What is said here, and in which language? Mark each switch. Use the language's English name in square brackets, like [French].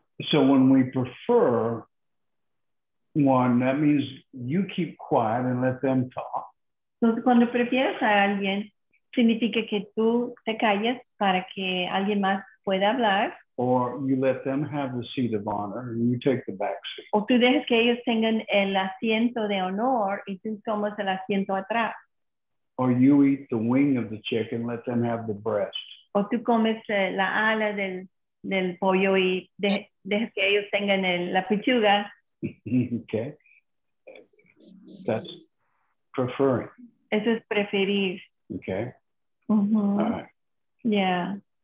[English] So when we prefer one, that means you keep quiet and let them talk. [Spanish] Entonces, cuando prefieres a alguien, significa que tú te calles para que alguien más pueda hablar. [English] Or you let them have the seat of honor and you take the back seat. [Spanish] O tú dejas que ellos tengan el asiento de honor y tú tomas el asiento atrás. [English] Or you eat the wing of the chicken and let them have the breast. [Spanish] O tú comes la ala del pollo y dejas que ellos tengan la pechuga. [English] Okay. That's preferring. [Spanish] Eso es preferir. [English] Okay. Mm-hmm. All right. Yeah.